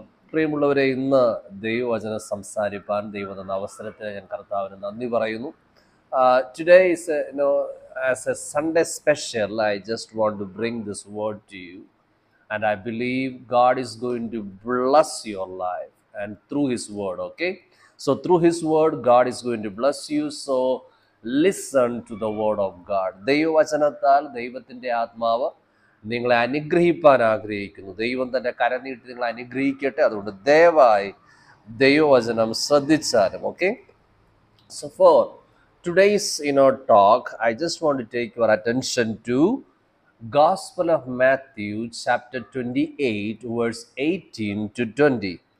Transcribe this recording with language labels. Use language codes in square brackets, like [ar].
[ml] പ്രിയമുള്ളവരെ, ഇന്ന് ദൈവവചനം സംസാരിപ്പാൻ ദൈവം തന്ന അവസരത്തിന് ഞാൻ കർത്താവിന് നന്ദി പറയുന്നു. [en] Today is a, you know, as a Sunday special, I just want to bring this word to you. And I believe God is going to bless your life and through His Word, okay? So through His Word, God is going to bless you. So listen to the word of God. [ml] ദൈവവചനത്താൽ ദൈവത്തിൻ്റെ ആത്മാവ് നിങ്ങളെ അനുഗ്രഹിപ്പാൻ ആഗ്രഹിക്കുന്നു. ദൈവം തൻ്റെ കരം നീട്ടി നിങ്ങളെ അനുഗ്രഹിക്കട്ടെ. അതുകൊണ്ട് ദയവായി ദൈവവചനം ശ്രദ്ധിച്ചാലും okay. [en] So for today's in our talk, I just want to take your attention to gospel of Matthew chapter 28 verse 18-20.